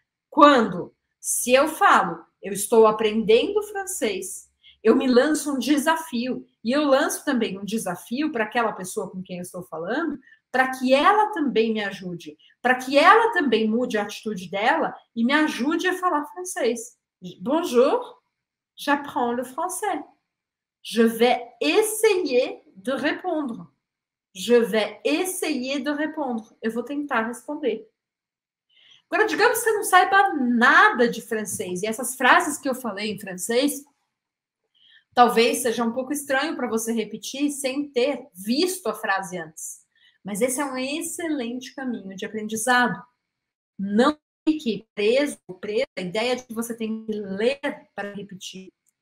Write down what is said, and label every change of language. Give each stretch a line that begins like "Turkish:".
Portuguese: Quando, se eu falo, eu estou aprendendo francês, eu me lanço um desafio. E eu lanço também um desafio para aquela pessoa com quem eu estou falando, para que ela também me ajude, para que ela também mude a atitude dela e me ajude a falar francês.
French: Bonjour, j'apprends le français. Je vais essayer de répondre. Je vais essayer de répondre.
Portuguese: Eu vou tentar responder. Agora, digamos que você não saiba nada de francês e essas frases que eu falei em francês talvez seja um pouco estranho para você repetir sem ter visto a frase antes. Mas esse é um excelente caminho de aprendizado. Não fique preso ou presa à ideia de que você tem que ler para repetir.